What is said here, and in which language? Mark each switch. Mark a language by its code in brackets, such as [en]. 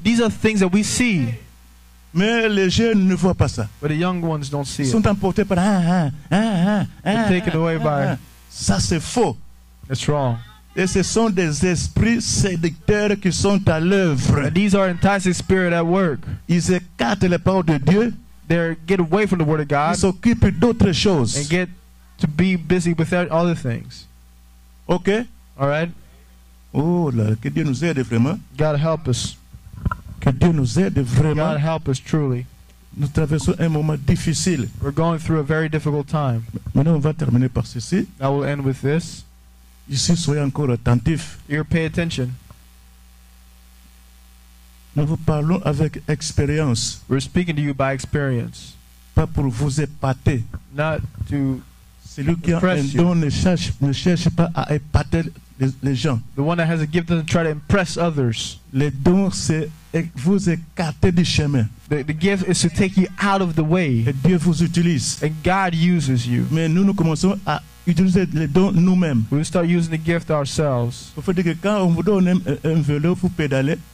[en] These are things that we see. [fr] Mais les jeunes ne voient pas ça. [en] But the young ones don't see. [fr] Ils sont emportés par [en] taken away by. [fr] Ça c'est faux. [en] That's wrong. [fr] Et ce sont des esprits séducteurs qui sont à l'œuvre. [en] These are enticing spirits at work. [fr] Ils écartent les paroles de Dieu. [en] They get away from the word of God. [fr] Ils s'occupent d'autres choses. [en] And get to be busy with other things. Okay. All right. [fr] Oh là, que Dieu nous aide vraiment. [en] God help us. [fr] Que Dieu nous aide vraiment. [en] God help us truly. [fr] Nous traversons un moment difficile. [en] We're going through a very difficult time. [fr] Maintenant, on va terminer par ceci. [en] I will end with this. [fr] Ici, soyez encore attentif. [en] Here, pay attention. [fr] Nous vous parlons avec expérience. [en] We're speaking to you by experience. [fr] Pas pour vous épater. [en] Not to. [fr] Celui qui a un don ne cherche pas à épater les gens. [en] The one that has a gift doesn't try to impress others. [fr] Le don c'est vous écarter du chemin. [en] The gift is to take you out of the way. [fr] Et Dieu vous utilise. [en] And God uses you. [fr] Mais nous commençons à utiliser le don nous-mêmes. [en] We start using the gift ourselves. [fr] Vous faites que quand on vous donne un vélo pour pédaler,